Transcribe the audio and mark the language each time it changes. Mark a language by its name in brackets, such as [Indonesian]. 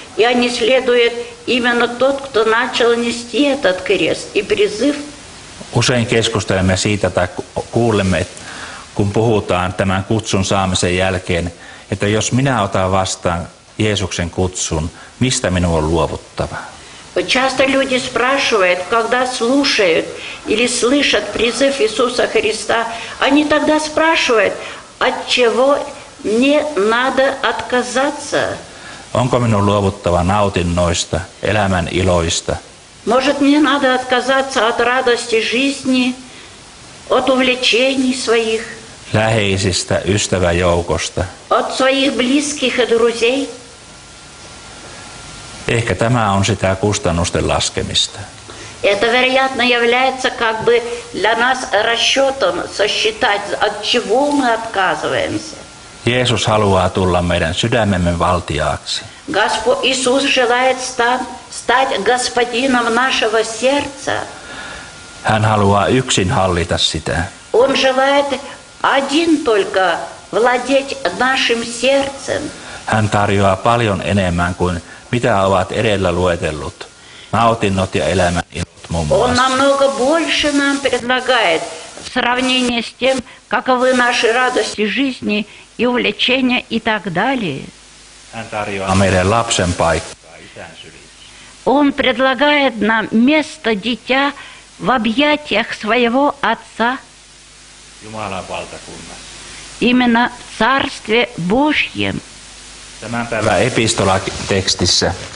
[Russian] И они следуют именно тот, кто начал нести этот крест и призыв. [Finnish] Usein keskustelemme siitä tai kuulemme, kun puhutaan tämän kutsun saamisen jälkeen, että jos minä otan vastaan Jeesuksen kutsun, mistä minun on luovuttava? [Russian] Часто люди спрашивают, когда слушают или слышат призыв Иисуса Христа, они тогда спрашивают, от чего мне надо отказаться? [Finnish] Onko minun luovuttava nautinnoista, elämän iloista? [Russian] Может, мне надо отказаться от радости жизни, от увлечений своих? [Finnish] Läheisistä, ystäväjoukosta. [Russian] От своих близких и друзей? [Finnish] Ehkä tämä on sitä kustannusten laskemista. [Russian] Это вероятно является как бы для нас расчетом сосчитать, от чего мы отказываемся. [Finnish] Jeesus haluaa tulla meidän sydämemme valtiaaksi. [Russian] Иисус желает стать господином нашего сердца. [Finnish] Hän haluaa yksin hallita sitä. [Russian] Он желает один только владеть нашим сердцем. [Finnish] Hän tarjoaa paljon enemmän kuin mitä ovat edellä luetellut nautinnot ja elämän ilot muun muassa. [Russian] Он намного больше нам предлагает в сравнении с тем, каковы наши радости жизни и увлечения и так далее. [Finnish] Hän tarjoaa meille lapsen paikkaa isän sylissä. [Russian] Он предлагает нам место дитя в объятиях своего отца. [Finnish] Jumalan valtakunnassa. [Russian] Именно в царстве Божьем. [Finnish] Tämän päivän epistolatekstissä,